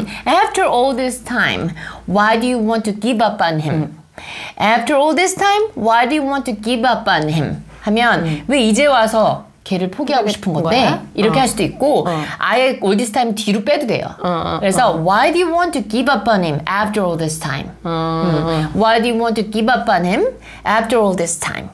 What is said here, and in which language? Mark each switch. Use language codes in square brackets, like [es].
[en] After all this time, why do you want to give up on him? After all this time, why do you want to give up on him? [ko] 하면 왜 이제 와서 걔를 포기하고 싶은 건데? 거야? 이렇게 할 수도 있고 아예 [en] all this time [ko] 뒤로 빼도 돼요. 그래서 [en] why do you want to give up on him after all this time? Why do you want to give up on him after all this time?